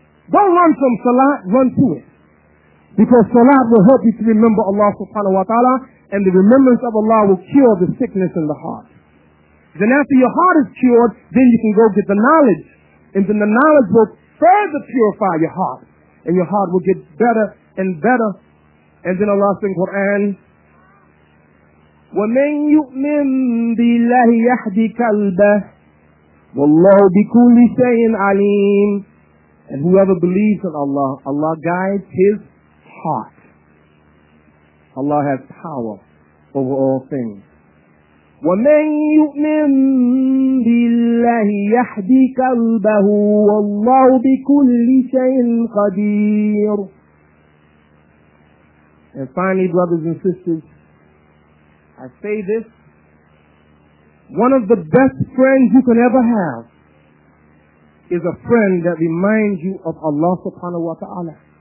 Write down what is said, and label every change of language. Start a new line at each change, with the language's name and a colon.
English: Don't run from salat, run to it. Because salat will help you to remember Allah subhanahu wa ta'ala, and the remembrance of Allah will cure the sickness in the heart. Then after your heart is cured, then you can go get the knowledge. And then the knowledge will further purify your heart. And your heart will get better and better. And then Allah said in Quran,
Arabic: ومن يؤمن بالله يهدي قلبه والله بكل شيء عليم.
English: And whoever believes in Allah, Allah guides his heart. Allah has power over all things.
Arabic: ومن يؤمن بالله يهدي قلبه والله بكل شيء قدير.
English: And finally, brothers and sisters, I say this, one of the best friends you can ever have is a friend that reminds you of Allah subhanahu wa ta'ala.